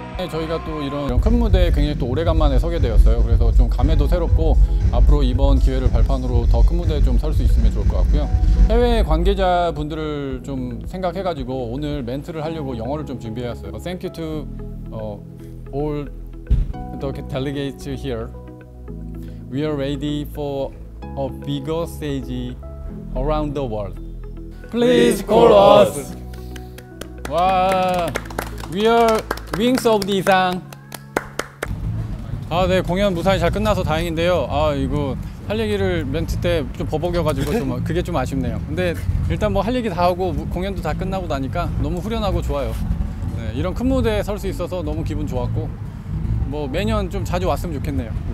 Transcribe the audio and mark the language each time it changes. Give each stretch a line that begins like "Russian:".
Korean: 저희가 또 이런 큰 무대에 굉장히 또 오래간만에 서게 되었어요. 그래서 좀 감회도 새롭고 앞으로 이번 기회를 발판으로 더 큰 무대에 좀 설 수 있으면 좋을 것 같고요. 해외 관계자분들을 좀 생각해가지고 오늘 멘트를 하려고 영어를 좀 준비해왔어요.
English: Thank you to all the delegates here. We are ready for a bigger stage around the world. Please call us.
Korean: 와,
English: we are Wings of the 이상.
Korean: 네, 공연 무사히 잘 끝나서 다행인데요. 이거 할 얘기를 멘트 때 좀 버벅여가지고 좀 그게 좀 아쉽네요. 근데 일단 뭐 할 얘기 다 하고 공연도 다 끝나고 나니까 너무 후련하고 좋아요. 네, 이런 큰 무대에 설 수 있어서 너무 기분 좋았고 뭐 매년 좀 자주 왔으면 좋겠네요.